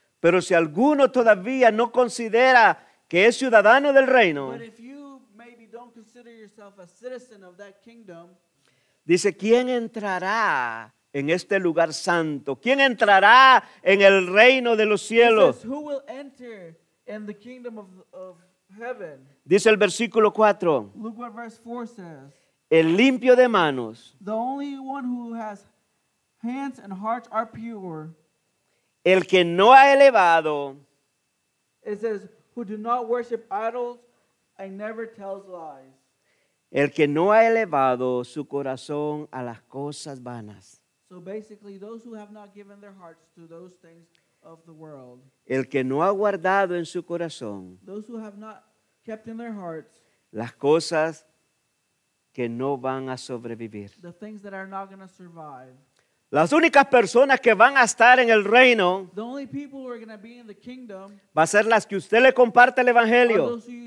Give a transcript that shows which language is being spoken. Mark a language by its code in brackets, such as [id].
[es] Pero si alguno todavía no considera que es ciudadano del reino, [en] but if you maybe don't consider yourself a citizen of that kingdom, [es] dice, ¿quién entrará en este lugar santo? ¿Quién entrará en el reino de los cielos? [en] Says, who will enter in the kingdom of heaven? [es] Dice el versículo 4. [en] Look what verse 4 says. [es] El limpio de manos. [en] The only one who has hands and hearts are pure. [es] El que no ha elevado. [en] It says, who do not worship idols and never tells lies. [es] El que no ha elevado su corazón a las cosas vanas. [en] So basically, those who have not given their hearts to those things of the world. [es] El que no ha guardado en su corazón. [en] Those who have not kept in their hearts. [es] Las cosas que no van a sobrevivir. [en] The things that are not going to survive. [es] Las únicas personas que van a estar en el reino va a ser las que usted le comparte el evangelio.